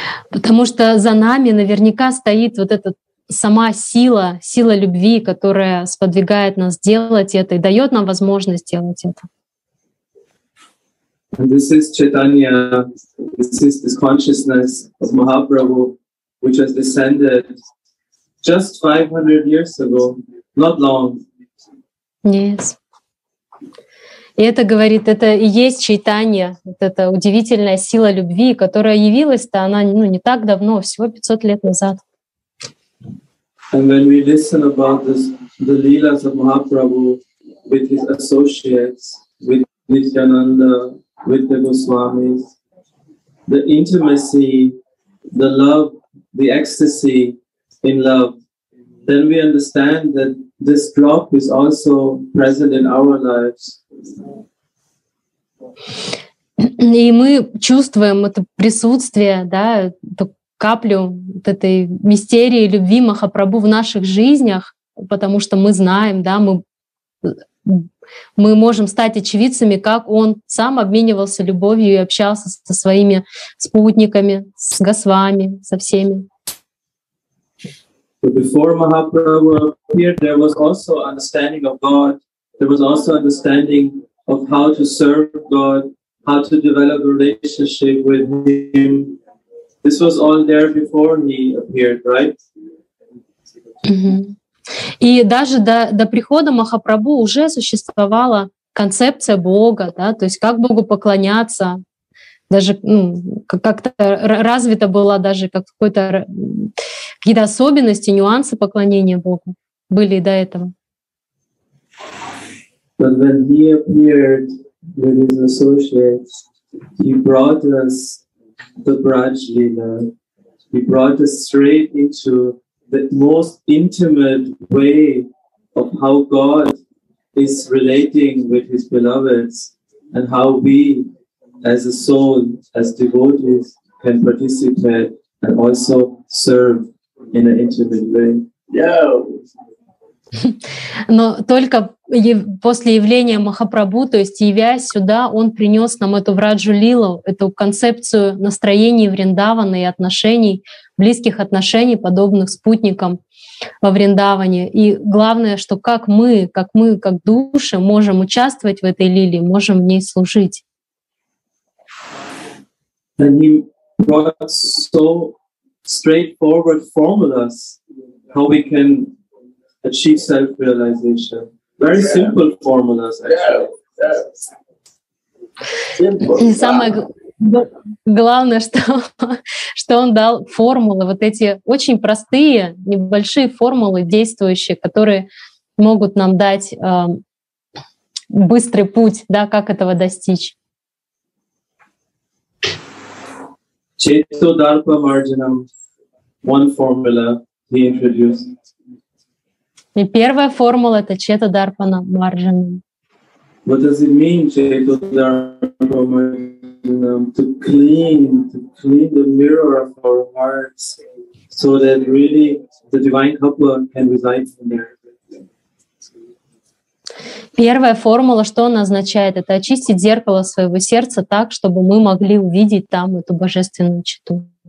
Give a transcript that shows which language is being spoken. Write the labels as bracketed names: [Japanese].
[Russian] Потому что за нами наверняка стоит вот эта сама сила, сила любви, которая сподвигает нас делать это и дает нам возможность делать это. [English] And this is Chaitanya, this consciousness of Mahaprabhu, which has descended just 500 years ago, not long. Yes. [Russian] И это говорит, это и есть Чайтанья, вот эта удивительная сила любви, которая явилась-то, она, ну, не так давно, всего 500 лет назад. [English] And when we listen about this, the leelas of Mahaprabhu with his associates, with Nityananda, with the Goswamis, the intimacy, the love, the ecstasy in love, then we understand that this drop is also present in our lives. [Russian] И мы чувствуем это присутствие, да, эту каплю вот этой мистерии любви Махапрабху в наших жизнях, потому что мы знаем, да, мы можем стать очевидцами, как он сам обменивался любовью и общался со своими спутниками, с Госвами, со всеми. [English] So before Mahaprabhu appeared, there was also understanding of God. There was also understanding of how to serve God, how to develop a relationship with Him. This was all there before He appeared, right? Mm-hmm. [Russian] И даже до прихода Махапрабху уже существовала концепция Бога, да, то есть как Богу поклоняться. Даже, ну, как-то развита была даже как какой-то какие-то особенности, нюансы поклонения Богу были и до этого. [English] But when he appeared with his associates, he brought us the Braj Lila. He brought us straight into the most intimate way of how God is relating with his beloveds and how we as a soul, as devotees, can participate and also serve in an intimate way. Yo. [Russian] Но только после явления Махапрабху, то есть явясь сюда, он принес нам эту враджу лилу, эту концепцию настроений Вриндавана и отношений, близких отношений, подобных спутникам во Вриндаване. И главное, что как мы, как души, можем участвовать в этой лиле, можем в ней служить. [English] And you brought so straightforward formulas how we can achieve self-realization. Very simple formulas, actually. Yeah. Simple. [Russian] Главное, что он дал формулы, вот эти очень простые, небольшие формулы действующие, которые могут нам дать быстрый путь, да, как этого достичь. [English] Chetto Dharpa Marjanam, one formula he introduced. [Russian] И первая формула — это Chetto Dharpa Marjanam. [English] What does it mean, Chetto Dharpa Marjanam? To clean the mirror of our hearts so that really the divine couple can reside in there. [Russian] Первая формула, что она означает? Это очистить зеркало своего сердца так, чтобы мы могли увидеть там эту божественную чету.